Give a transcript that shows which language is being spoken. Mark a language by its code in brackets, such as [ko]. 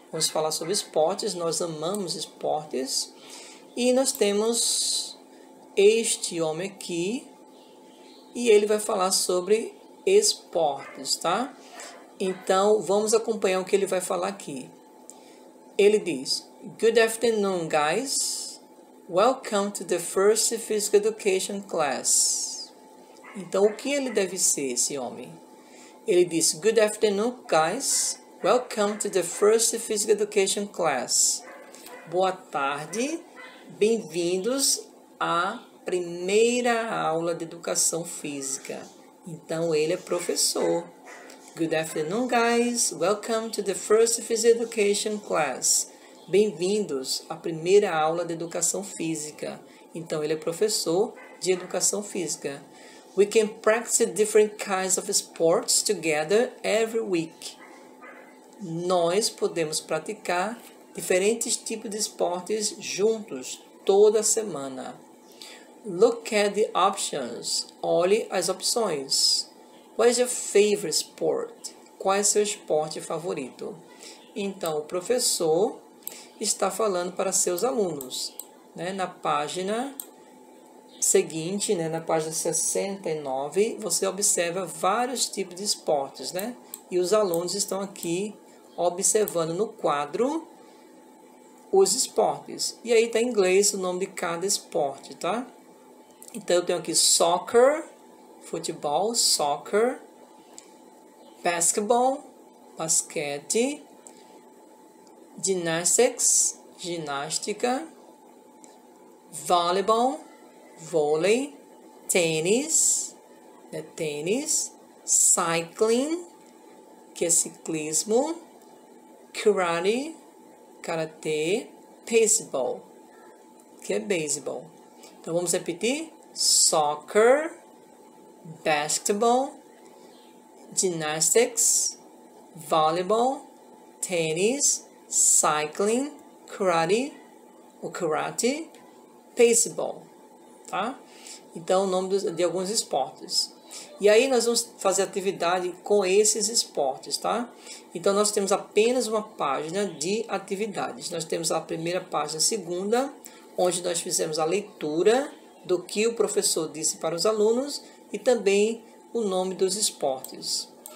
[pt] Vamos falar sobre esportes. Nós amamos esportes. E nós temos este homem aqui, e ele vai falar sobre esportes, tá? Então vamos acompanhar o que ele vai falar aqui. [en] Ele diz: Good afternoon, guys. Welcome to the first physical education class. [pt] Então, o que ele deve ser, esse homem? [en] Ele diz: Good afternoon, guys. Welcome to the first physical education class. [pt] Boa tarde, bem-vindos à primeira aula de educação física. Então ele é professor. [en] Good afternoon, guys. [pt] Welcome to the first physical education class. Bem-vindos à primeira aula de educação física. Então ele é professor de educação física. [en] We can practice different kinds of sports together every week. [pt] Nós podemos praticar diferentes tipos de esportes juntos toda semana. [en] Look at the options. [pt] Olhe as opções. [en] What is your favorite sport? [pt] Qual é seu esporte favorito? Então, o professor está falando para seus alunos, né? Na página seguinte, né? Na página 69, você observa vários tipos de esportes, né? E os alunos estão aqui observando no quadro os esportes. E aí está em inglês o nome de cada esporte, tá? Então, eu tenho aqui soccer, futebol, soccer, basketball, basquete, gymnastics, ginástica, voleibol, vôlei, tênis, né, tênis, cycling, que é ciclismo, karate, karatê, baseball, que é beisebol. Então, vamos repetir? [en] Soccer, basketball, gymnastics, volleyball, tennis, cycling, karate, o karate, baseball, tá? [pt] Então, o nome de alguns esportes. E aí nós vamos fazer atividade com esses esportes, tá? Então, nós temos apenas uma página de atividades. Nós temos a primeira página, a segunda, onde nós fizemos a leitura do que o professor disse para os alunos e também o nome dos esportes.